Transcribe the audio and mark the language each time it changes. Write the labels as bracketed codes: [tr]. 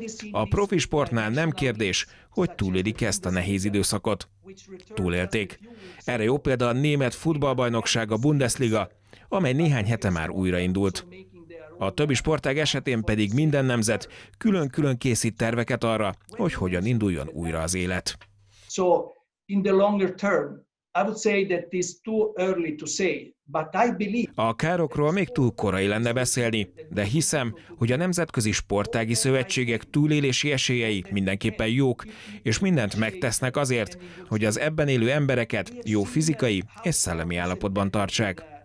[hu] A profi sportnál nem kérdés, hogy túlélik ezt a nehéz időszakot. Túlélték. Erre jó példa a német futballbajnokság, a Bundesliga, amely néhány hete már újraindult. A többi sportág esetén pedig minden nemzet külön-külön készít terveket arra, hogy hogyan induljon újra az élet. [en] So, in the longer term, I would say that it's too early to say, but I believe. [hu] A károkról még túl korai lenne beszélni, de hiszem, hogy a nemzetközi sportági szövetségek túlélési esélyei mindenképpen jók, és mindent megtesznek azért, hogy az ebben élő embereket jó fizikai és szellemi állapotban tartsák.